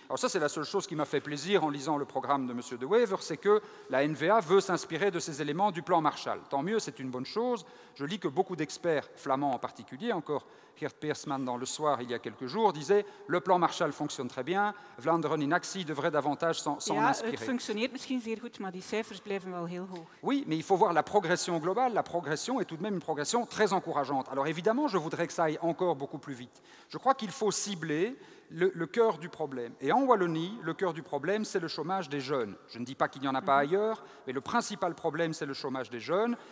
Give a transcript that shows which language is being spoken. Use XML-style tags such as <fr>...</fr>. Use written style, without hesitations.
<fr>Alors ça c'est la seule chose qui m'a fait plaisir en lisant le programme de M. De Wever, c'est que la NVA veut s'inspirer de ces éléments du plan Marshall. Tant mieux, c'est une bonne chose. Je lis que beaucoup d'experts flamands en particulier, encore Geert Peersman dans Le Soir il y a quelques jours, disait « Le plan Marshall fonctionne très bien, Vlaanderen in actie devrait davantage s'en inspirer. »</fr> <nl>Ja, het fonctionneert misschien zeer goed, maar die cijfers blijven wel heel hoog.</nl> <fr>Oui, mais il faut voir la progression globale. La progression est tout de même une progression très encourageante. Alors évidemment, je voudrais que ça aille encore beaucoup plus vite. Je crois qu'il faut cibler le cœur du problème. Et en Wallonie, le cœur du problème, c'est le chômage des jeunes. Je ne dis pas qu'il n'y en a pas ailleurs, mais le principal problème, c'est le chômage des jeunes.</fr>